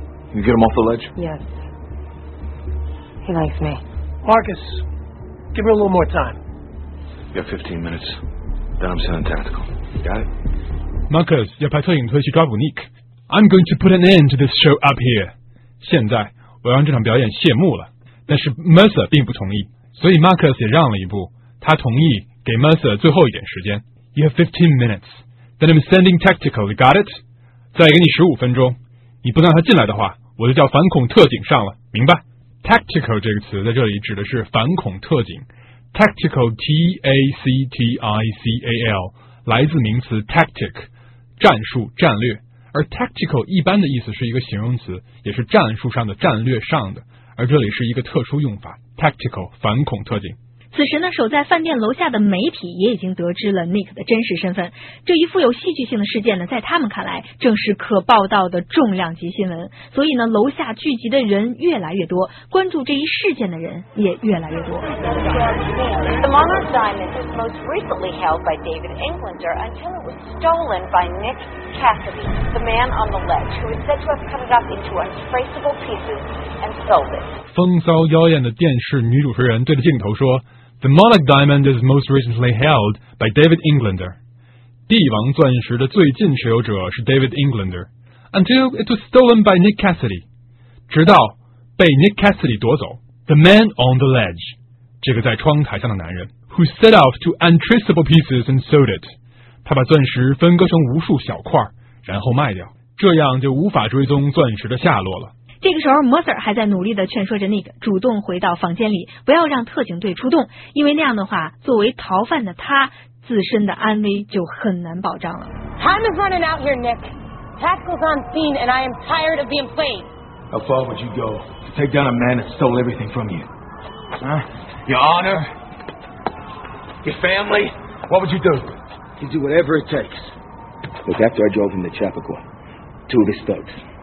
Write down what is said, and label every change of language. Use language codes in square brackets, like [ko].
[en] Can you get him off the ledge? Yes. He likes me. Marcus, give me a little more time. You have 15 minutes. Then I'm sending tactical. Got it? [zh] Marcus, 要派特警队去抓捕 Nick. [en] I'm going to put an end to this show up here. [zh] 现在我要让这场表演谢幕了。但是 Mercer 并不同意，所以 Marcus 也让了一步。他同意给 Mercer 最后一点时间。 [en] You have 15 minutes. Then I'm sending tactical. You got it? [zh] 再给你15分钟。你不让他进来的话，我就叫反恐特警上了。明白？Tactical 这个词在这里指的是反恐特警 ，tactical T A C T I C A L 来自名词 tactic， 战术、战略。而 tactical 一般的意思是一个形容词，也是战术上的、战略上的，而这里是一个特殊用法 ，tactical 反恐特警。此时呢，守在饭店楼下的媒体也已经得知了 Nick 的真实身份。这一富有戏剧性的事件呢，在他们看来正是可报道的重量级新闻。所以呢，楼下聚集的人越来越多，关注这一事件的人也越来越多。 [en] The Monarch Diamond was most recently held by David Englander until it was stolen by Nick Cassidy, the man on the ledge, who is said to have cut it up into untraceable pieces and sold it. [zh] 风骚妖艳的电视女主持人对着镜头说。 [en] The Monarch Diamond is most recently held by David Englander. [zh] 帝王钻石的最近持有者是 David Englander. [en] Until it was stolen by Nick Cassidy. [zh] 直到被 Nick Cassidy 夺走。 [en] The man on the ledge. [zh] 这个在窗台上的男人。 [en] Who set off to untraceable pieces and sold it. [zh] 他把钻石分割成无数小块然后卖掉。这样就无法追踪钻石的下落了。这个时候 Mercer 还在努力地劝说着 Nick 主动回到房间里，不要让特警队出动，因为那样的话，作为逃犯的他自身的安危就很难保障了。 [en] Time is running out here, Nick. Tactical's on scene, and I am tired of being played. How far would you go to take down a man that stole everything from you? Huh? Your honor? Your family? What would you do? You do whatever it takes. Look, after I drove him to Chappaqua, two of his thugs.